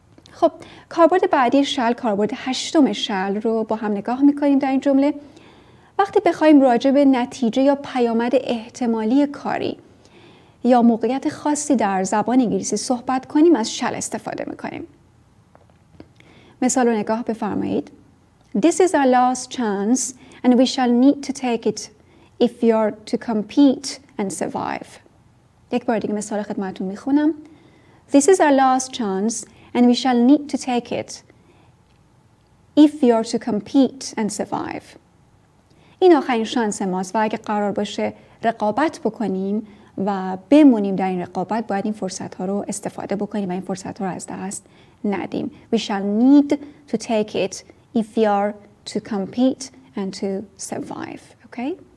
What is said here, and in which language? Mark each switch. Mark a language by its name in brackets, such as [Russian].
[Persian] خب کاربرد بعدی shall، کاربرد هشتم shall رو با هم نگاه میکنیم در این جمله. وقتی بخوایم راجع به نتیجه یا پیامد احتمالی کاری یا موقعیت خاصی در زبان انگلیسی صحبت کنیم از shall استفاده میکنیم. مثال رو نگاه بفرمایید. [English] This is our last chance and we shall need to take it if we are to compete and survive. [Persian] یک بار دیگه مثال خدمتون میخونم. [English] This is our last chance and we shall need to take it if we are to compete and survive. [Persian] این آخرین شانس ماست و اگه قرار باشه رقابت بکنیم و بمونیم در این رقابت باید این فرصت ها رو استفاده بکنیم و این فرصت ها رو از دست ندیم. [English] We shall need to take it if we are to compete and to survive. Okay?